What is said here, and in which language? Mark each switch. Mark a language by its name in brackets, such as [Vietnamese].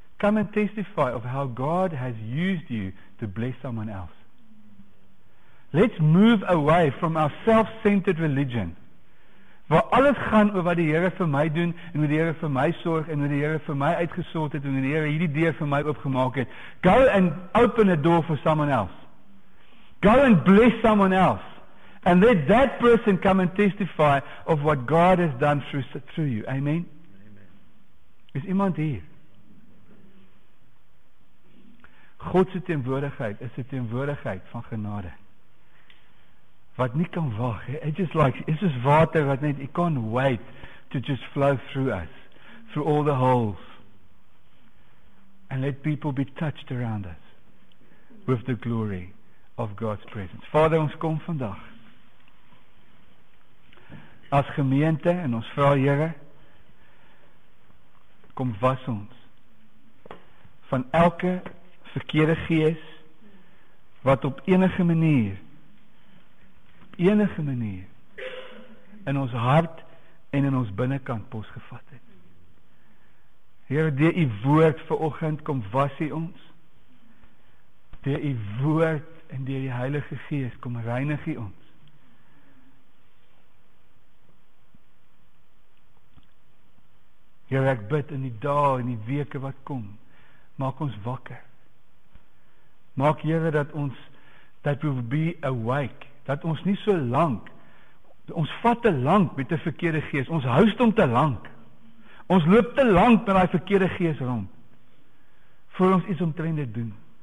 [English] Come and testify of how God has used you to bless someone else. Let's move away from our self-centered religion. [Afrikaans] Waar alles gaan oor wat die Here vir my doen en hoe die Here vir my sorg en hoe die Here vir my uitgesort het en hoe die Here hierdie deur vir my oopgemaak het. [English] Go and open a door for someone else. Go and bless someone else. And let that person come and testify of what God has done through you. [Afrikaans] Amen. Amen. Is iemand hier? God se teenwoordigheid is 'n teenwoordigheid van genade. Wat nie kan wag, [English] it's just like, it's just water [Afrikaans] wat net, [English] it can't wait to just flow through us, through all the holes, and let people be touched around us, with the glory of God's presence. [Afrikaans] Vader, ons kom vandag, as gemeente, en ons vra Here, kom was ons, van elke verkeerde gees, wat op enige manier, enige manier in ons hart en in ons binnenkant posgevat het. Here, deur die woord vanoggend kom was hy ons. Deur die woord en deur die Heilige Gees kom reinig hy ons. Here, ek bid in die dae en die weke wat kom, maak ons wakker. Maak Here dat ons, [English] that we will be awake, [Afrikaans] dat ons nie so lank, ons vat te lank met die verkeerde gees, ons huist om te lank, ons loop te lank met die verkeerde gees rond, voor ons iets omtrent dit doen.